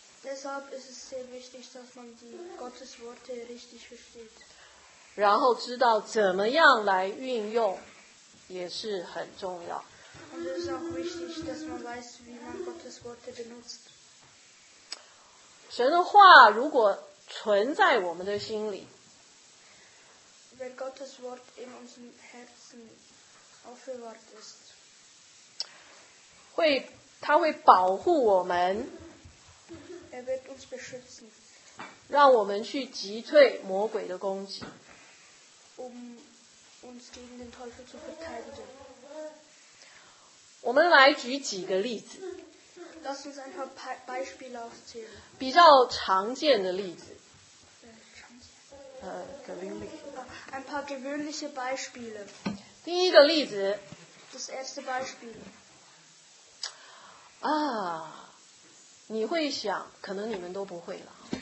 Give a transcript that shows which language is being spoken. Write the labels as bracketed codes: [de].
[de] Deshalb ist es sehr wichtig, dass man die Gottes Worte richtig versteht. [zh] 然后知道怎么样来运用也是很重要。 [de] Und es ist auch wichtig, dass man weiß, wie man Gottes Worte benutzt. [zh] 神的话如果存在我们的心里， [de] Wenn Gottes Wort in unserem Herzen aufbewahrt ist, [zh] 会它会保护我们， [de] Er wird uns beschützen, [zh] 让我们去击退魔鬼的攻击， [de] Um uns gegen den Teufel zu verteidigen. [zh] 我们来举几个例子。 [de] Lass uns ein paar Beispiele aufzählen. [zh] 比较常见的例子。 [de] Ein paar gewöhnliche Beispiele. [zh] 第一个例子。 [de] Das erste Beispiel. [zh] 啊，你会想，可能你们都不会了。